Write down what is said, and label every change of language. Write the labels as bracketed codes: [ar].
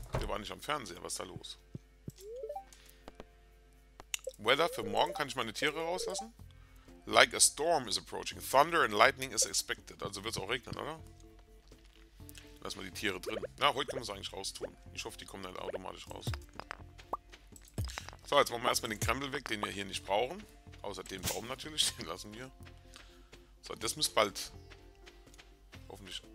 [de] Wir waren nicht am Fernseher. Was ist da los? Weather für morgen, kann ich meine Tiere rauslassen? [en] Like a storm is approaching. Thunder and lightning is expected. [de] Also wird es auch regnen, oder? Lass mal die Tiere drin. Na, heute können wir es eigentlich raustun. Ich hoffe, die kommen dann automatisch raus. So, jetzt machen wir erstmal den Krempel weg, den wir hier nicht brauchen. Außer den Baum natürlich, den lassen wir. So, das müsste bald hoffentlich